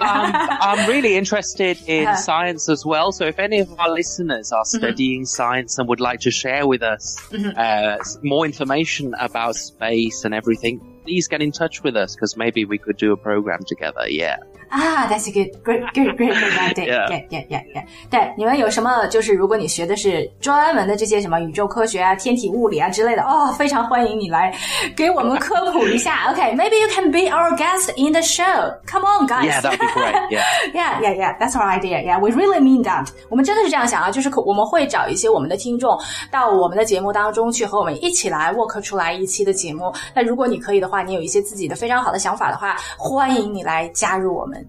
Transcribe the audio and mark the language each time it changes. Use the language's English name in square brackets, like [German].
[English] And also, I'm really interested in science as well, so if any of our listeners are studying science and would like to share with us more information about space and everything, please get in touch with us because maybe we could do a program together. Yeah. Ah, that's a good idea. Yeah. [Chinese] 对，你们有什么就是如果你学的是专门的这些什么宇宙科学啊、天体物理啊之类的，哦，非常欢迎你来给我们科普一下。 [English] Okay, maybe you can be our guest in the show. Come on, guys. Yeah, that'd be great. Yeah. Yeah. That's our idea. Yeah, we really mean that. [Chinese] 我们真的是这样想啊，就是我们会找一些我们的听众到我们的节目当中去和我们一起来 work 出来一期的节目。那如果你可以的话，你有一些自己的非常好的想法的话，欢迎你来加入我们。